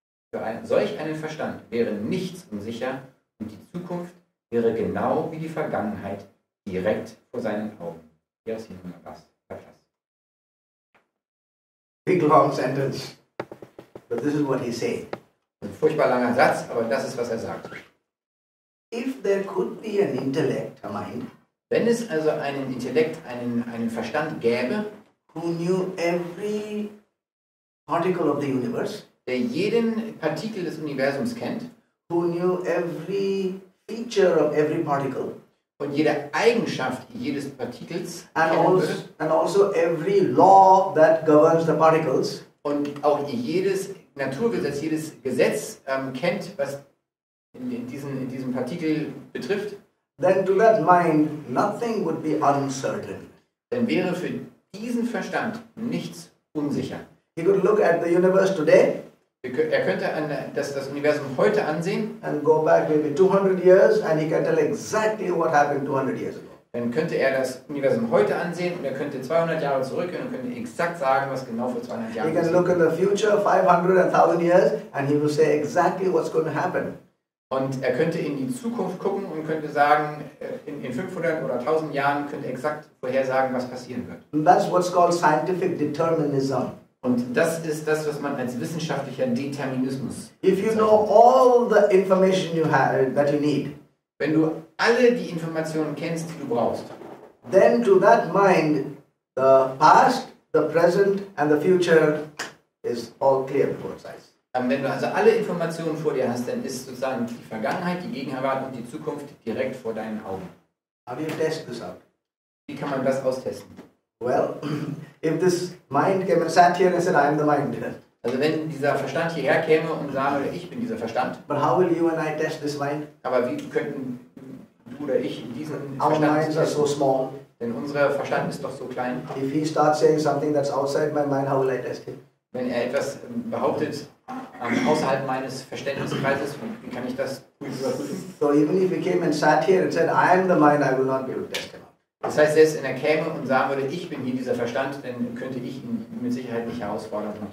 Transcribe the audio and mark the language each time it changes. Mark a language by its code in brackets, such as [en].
[de] Für solch einen Verstand wäre nichts unsicher und die Zukunft wäre genau wie die Vergangenheit direkt vor seinen Augen. Hier ist hier noch was. [en] Big long sentence. But this is what he's saying. [de] Ein furchtbar langer Satz, aber das ist, was er sagt. [en] If there could be an intellect, a mind, [de] wenn es also einen Intellekt, einen Verstand gäbe, [en] who knew every particle of the universe, [de] der jeden Partikel des Universums kennt, [en] who knew every feature of every particle, [de] und jede Eigenschaft jedes Partikels, [en] and also every law that governs the particles, [de] und auch jedes Naturgesetz, jedes Gesetz kennt, was in diesem Partikel betrifft, [en] then to that mind, nothing would be uncertain. [de] Dann wäre für diesen Verstand nichts unsicher. [en] He could look at the universe today, [de] er könnte das Universum heute ansehen [en] and go back maybe 200 years and he can tell exactly what happened 200 years ago. [de] Dann könnte er das Universum heute ansehen und er könnte 200 Jahre zurückgehen und könnte exakt sagen, was genau vor 200 Jahren passiert. [en] He can look in the future 500 and 1000 years and he will say exactly what's going to happen. [de] Und er könnte in die Zukunft gucken und könnte sagen, in 500 oder 1000 Jahren könnte er exakt vorhersagen, was passieren wird. [en] And that's what's called scientific determinism. [de] Und das ist das, was man als wissenschaftlicher Determinismus bezeichnet. [en] If you know all the information you have, that you need, [de] wenn du alle die Informationen kennst, die du brauchst, [en] then to that mind, the past, the present and the future is all clear towards us. [de] Wenn du also alle Informationen vor dir hast, dann ist sozusagen die Vergangenheit, die Gegenwart und die Zukunft direkt vor deinen Augen. [en] How do you test this out? [de] Wie kann man das austesten? [en] Well, if this mind came and sat here and said, I'm the mind. [de] Also wenn dieser Verstand hierher käme und sage, ich bin dieser Verstand. [en] But how will you and I test this mind? [de] Aber wie könnten du oder ich diesen [en] Our [de] Verstand [en] minds [de] testen? [en] Are so small. [de] Denn unser Verstand ist doch so klein. [en] If he starts saying something that's outside my mind, how will I test it? [de] Wenn er etwas behauptet, außerhalb meines Verständniskreises, wie kann ich das überprüfen? [en] So even if he came and sat here and said, I am the mind, I will not be able to test him. [de] Das heißt, selbst wenn er käme und sagen würde, ich bin hier dieser Verstand, dann könnte ich ihn mit Sicherheit nicht herausfordern.